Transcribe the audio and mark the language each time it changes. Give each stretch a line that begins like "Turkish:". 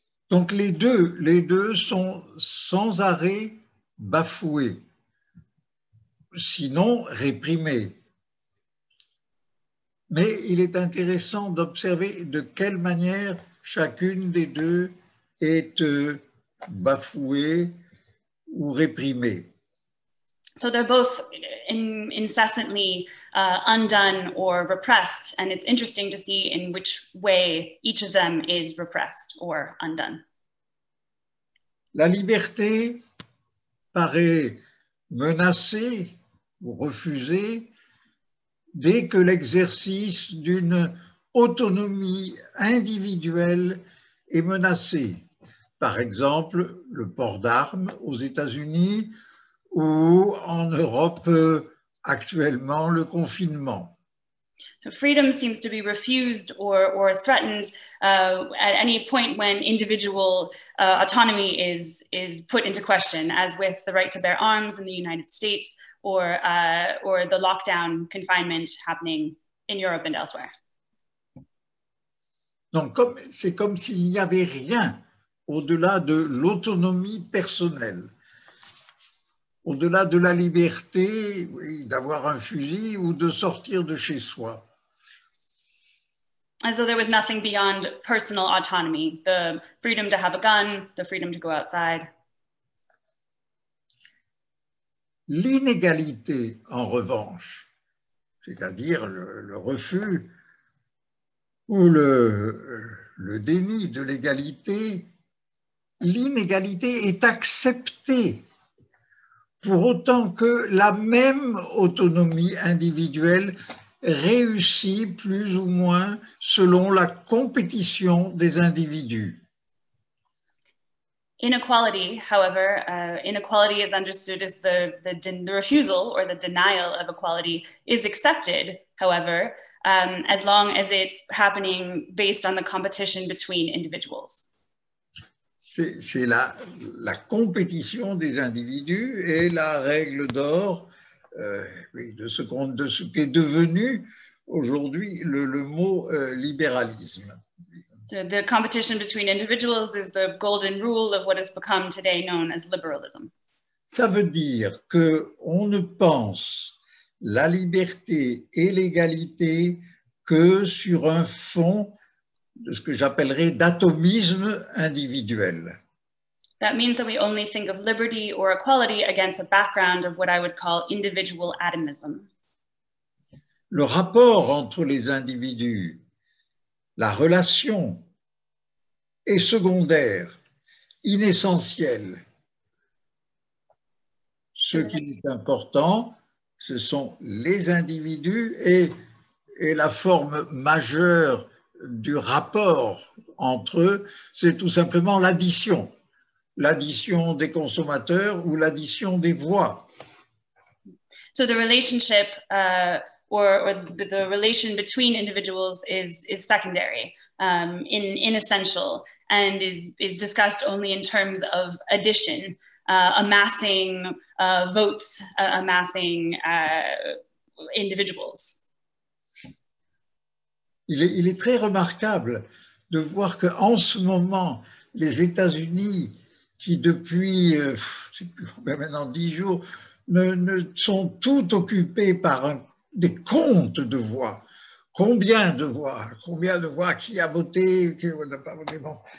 French: Donc les deux sont sans arrêt bafoués, sinon réprimés. Mais il est intéressant d'observer de quelle manière chacune des deux est bafouée ou réprimée.
English: So they're both incessantly undone or repressed, and it's interesting to see in which way each of them is repressed or undone.
French: La liberté paraît menacée ou refusée dès que l'exercice d'une autonomie individuelle est menacé. Par exemple, le port d'armes aux États-Unis ou en Europe actuellement le confinement.
English: So freedom seems to be refused or threatened at any point when individual autonomy is put into question, as with the right to bear arms in the United States or the lockdown confinement happening in Europe and elsewhere.
French: Donc c'est comme s'il n'y avait rien au-delà de l'autonomie personnelle. Au-delà de la liberté, oui, d'avoir un fusil ou de sortir de chez soi.
English: And so there was nothing beyond personal autonomy, the freedom to have a gun, the freedom to go outside.
French: L'inégalité, en revanche, c'est-à-dire le refus ou le déni de l'égalité, l'inégalité est acceptée. Pour autant que la même autonomie individuelle réussit plus ou moins selon la compétition des individus.
English: Inequality, however, inequality is understood as the refusal or the denial of equality is accepted, however, as long as it's happening based on the competition between individuals.
French: C'est la compétition des individus et la règle d'or de ce qu'est devenu aujourd'hui le mot libéralisme.
English: So the competition between individuals is the golden rule of what has become today known as liberalism.
French: Ça veut dire que on ne pense la liberté et l'égalité que sur un fond de ce que j'appellerais d'atomisme individuel.
English: That means that we only think of liberty or equality against a background of what I would call individual atomism.
French: Le rapport entre les individus, la relation est secondaire, inessentiel. Ce qui est important, ce sont les individus et la forme majeure du rapport entre eux, c'est tout simplement l'addition. L'addition des consommateurs ou l'addition des voix.
English: So the relationship or the relation between individuals is secondary, inessential, and is discussed only in terms of addition, amassing votes, amassing individuals.
French: Il est très remarquable de voir que en ce moment les États-Unis qui depuis maintenant 10 jours ne sont tout occupés par des comptes de voix. Combien de voix, qui a voté, qui n'a pas voté, bon.